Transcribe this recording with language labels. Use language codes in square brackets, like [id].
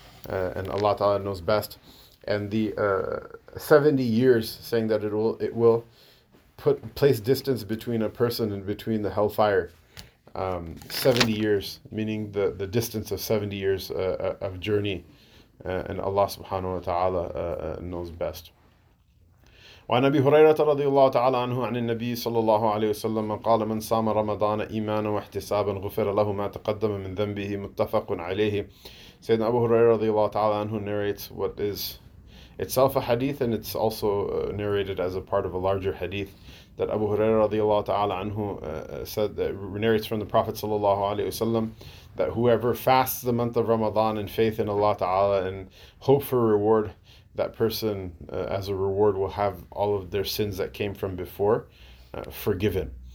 [en] And Allah Ta'ala knows best. And the 70 years saying that it will place distance between a person and between the hellfire. 70 years, meaning the distance of 70 years of journey. And Allah subhanahu wa ta'ala knows best. [ar] وعن أبي هريرة رضي الله تعالى عنه عن النبي صلى الله عليه وسلم قال من صام رمضان إيمانا واحتسابا غفر له ما تقدم من ذنبه متفق عليه. سيدنا أبو هريرة رضي الله تعالى عنه [en] narrates what is itself a hadith, and it's also narrated as a part of a larger hadith, that Abu Huraira radiallahu ta'ala anhu said that, narrates from the Prophet sallallahu alayhi wa sallam, that whoever fasts the month of Ramadan in faith in Allah Ta'ala and hope for reward, that person as a reward will have all of their sins that came from before forgiven.